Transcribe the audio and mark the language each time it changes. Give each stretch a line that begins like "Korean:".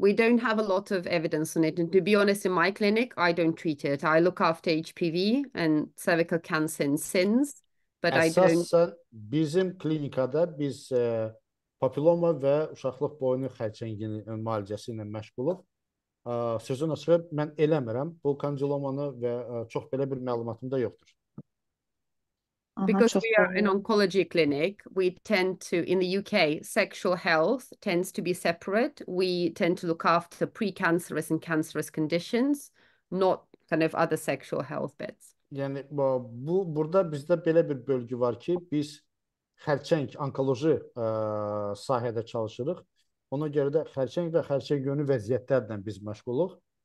English: We don't have a lot of evidence on it. And to be honest, in my clinic, I don't treat it. I look after HPV and cervical cancer and SINs, but I don't.
Azerbaijani: Əsasən bizim klinikada biz papiloma və uşaqlıq boynu xərçəngini müalicəsi ilə məşğuluq. Sözün açığı mən eləmirəm. Bu kandilomanı və çox belə bir məlumatım da yoxdur.
English: Because we are an oncology clinic, we tend to, in the UK, sexual health tends to be separate. We tend to look after precancerous and cancerous conditions, not kind of other sexual health bits.
Azerbaijani: Yəni bu burada bizdə belə bir bölgə var ki, biz xərçəng onkoloji sahədə çalışırıq. Ona görə də xərçəng və xərçəng yönü vəziyyətlərlə biz məşğuluq.